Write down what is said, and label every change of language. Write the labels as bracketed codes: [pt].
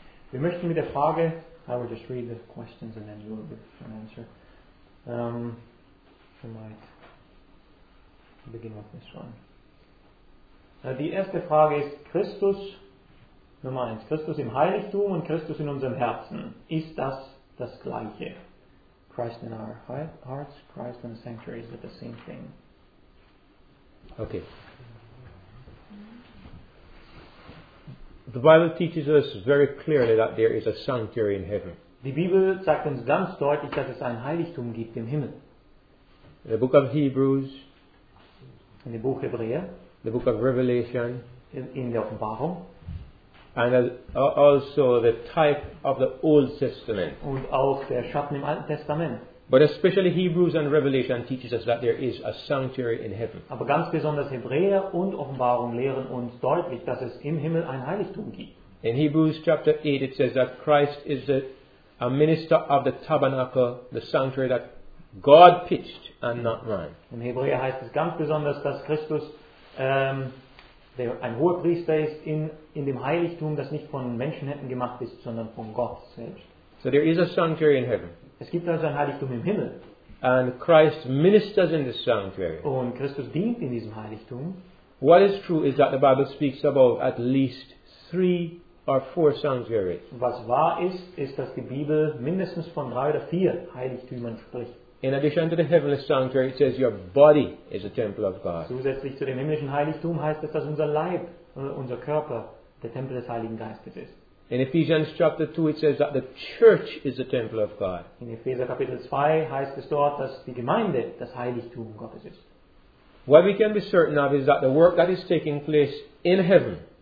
[de] Wir möchten mit der Frage, [en] I will just read the questions and then you will answer. We might begin with this one. [de] Die erste Frage ist, Christus, Nummer 1, Christus im Heiligtum und Christus in unserem Herzen, ist das das Gleiche? [en] Christ in our hearts, Christ in the sanctuary, is it the same thing? Okay. The Bible teaches us very clearly that there is a sanctuary in heaven. [de] Die Bibel sagt uns ganz deutlich, dass es ein Heiligtum gibt im Himmel. [en] In the book of Hebrews, [de] in dem Buch Hebräer, [en] the book of Revelation, [de] in der Offenbarung, [en] and also the type of the Old Testament. [de] Und auch der Schatten im Alten Testament. [en] But especially Hebrews and Revelation teaches us that there is a sanctuary in heaven. [de] Aber ganz besonders Hebräer und Offenbarung lehren uns deutlich, dass es im Himmel ein Heiligtum gibt. [en] In Hebrews chapter 8 it says that Christ is a minister of the tabernacle, the sanctuary that God pitched and not man. [de] In Hebräer heißt es ganz besonders, dass Christus der ein Hohepriester ist in dem Heiligtum, das nicht von Menschenhänden gemacht ist, sondern von Gott selbst. [en] So there is a sanctuary in heaven. [de] Es gibt also ein Heiligtum im Himmel. [en] And Christ ministers in this sanctuary. [de] Und Christus dient in diesem Heiligtum. [en] What is true is that the Bible speaks about at least 3 or 4 sanctuaries. [de] Was wahr ist, ist, dass die Bibel mindestens von 3 oder 4 Heiligtümern spricht. [en] In addition to the heavenly sanctuary, it says your body is a temple of God. [de] Zusätzlich zu dem himmlischen Heiligtum heißt es, dass unser Leib, unser Körper, der Tempel des Heiligen Geistes ist. [en] In Ephesians chapter 2 it says that the church is the temple of God. [de] In Epheser Kapitel 2 heißt es dort, dass die Gemeinde das Heiligtum Gottes ist. [en] What we can be certain of is that the work that is taking place in heaven.